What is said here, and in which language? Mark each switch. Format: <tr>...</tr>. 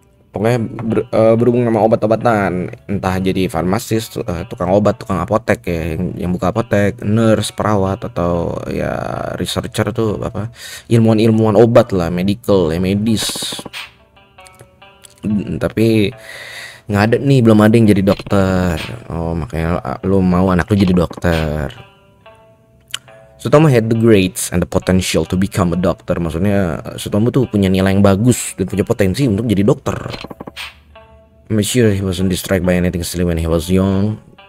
<id>pokoknya berhubung sama obat-obatan, entah jadi farmasis, tukang obat, tukang apotek ya, yang buka apotek, nurse, perawat, atau ya researcher tuh apa, ilmuwan-ilmuwan obat lah, medical ya, medis. Tapi nggak ada nih, belum ada yang jadi dokter. Oh, makanya lu mau anak lu jadi dokter.</id> <en>Sutomo had the grades and the potential to become a doctor.</en> <id>Maksudnya Sutomo tuh punya nilai yang bagus dan punya potensi untuk jadi dokter.</id> <en>I made sure he wasn't distracted by anything silly when he was young.</en>